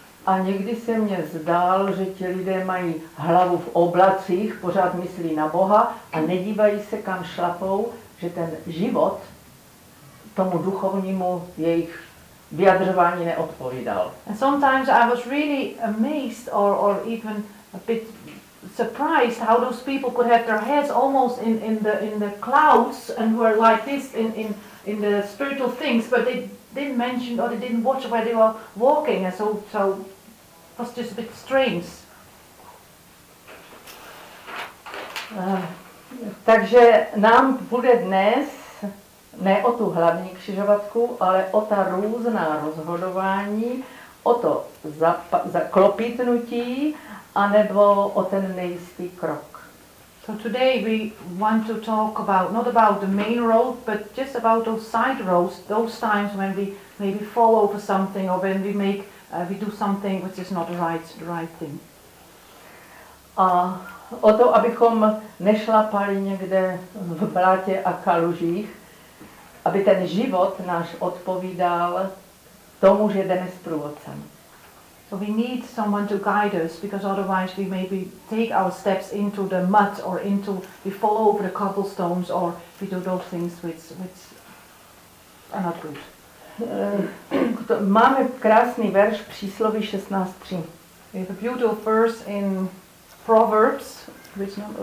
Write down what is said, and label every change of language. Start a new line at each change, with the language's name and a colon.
Czech: A někdy se mně zdálo, že ti lidé mají hlavu v oblacích, pořád myslí na Boha a nedívají se kam šlapou, že ten život tomu duchovnímu jejich vyjadřování neodpovídal.
English: And sometimes I was really amazed or even a bit surprised how those people could have their heads almost in the clouds and were like this in the spiritual things, but they didn't mention or they didn't watch where they were walking, and so it was just a bit strange.
Czech: Takže nám bude dnes ne o tu hlavní křižovatku, ale o ta různá rozhodování, o to zaklopitnutí, anebo o ten nejistý krok.
English: So today we want to talk about not about the main road, but just about those side roads, those times when we maybe fall over something or when we do something which is not the right thing.
Czech: A o to, abychom nešlapali někde v blátě a kalužích, aby ten život náš odpovídal tomu, že jdeme s průvodcem.
English: So we need someone to guide us, because otherwise we maybe take our steps into the mud or into, we fall over the cobblestones or we do those things which are not good.
Czech: Máme krásný verš přísloví 16:3.
English: We have a beautiful verse in Proverbs, which number?